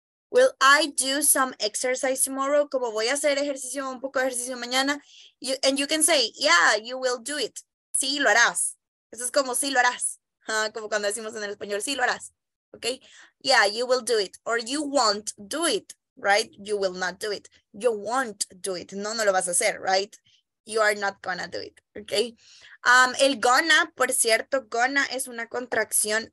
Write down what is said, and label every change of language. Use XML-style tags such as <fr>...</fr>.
<es>Will I do some exercise tomorrow? Como voy a hacer ejercicio, un poco de ejercicio mañana.</es> <en>You can say, yeah, you will do it.</en> <es>Sí, lo harás. Eso es como sí, lo harás. Como cuando decimos en el español, sí, lo harás.</es> <en>Okay? Yeah, you will do it. Or you won't do it. Right? You will not do it. You won't do it. No, no lo vas a hacer. Right? You are not gonna do it. Okay?</en> <es>El gonna, por cierto, gonna es una contracción.</es>